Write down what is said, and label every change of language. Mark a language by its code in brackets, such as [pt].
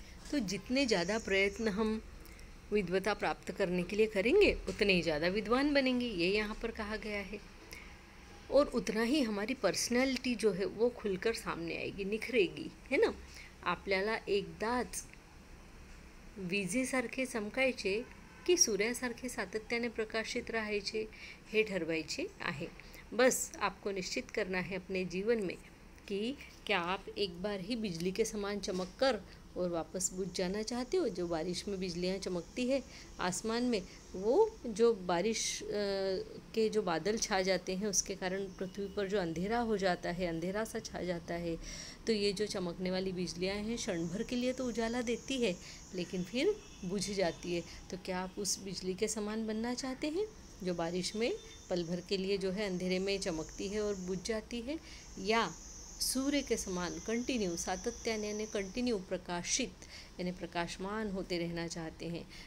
[hi] तो जितने ज़्यादा प्रयत्न हम विद्वता प्राप्त करने के लिए करेंगे उतने ही ज़्यादा विद्वान बनेंगे, ये यहाँ पर कहा गया है, और उतना ही हमारी पर्सनैलिटी जो है वो खुलकर सामने आएगी, निखरेगी, है ना। [mr] आपल्याला एकदाच विजेसारखे चमकायचे की सूर्यासारखे सातत्याने प्रकाशित राहायचे हे ठरवायचे आहे। [hi] बस आपको निश्चित करना है अपने जीवन में कि क्या आप एक बार ही बिजली के समान चमक कर और वापस बुझ जाना चाहते हो, जो बारिश में बिजलियां चमकती है आसमान में, वो जो बारिश के जो बादल छा जाते हैं उसके कारण पृथ्वी पर जो अंधेरा हो जाता है, अंधेरा सा छा जाता है, तो ये जो चमकने वाली बिजलियां हैं क्षणभर के लिए तो उजाला देती है लेकिन फिर बुझ जाती है, तो क्या आप उस बिजली के समान बनना चाहते हैं जो बारिश में पल भर के लिए जो है अंधेरे में चमकती है और बुझ जाती है, या सूर्य के समान कंटिन्यू सातत्याने यानी कंटिन्यू प्रकाशित यानी प्रकाशमान होते रहना चाहते हैं,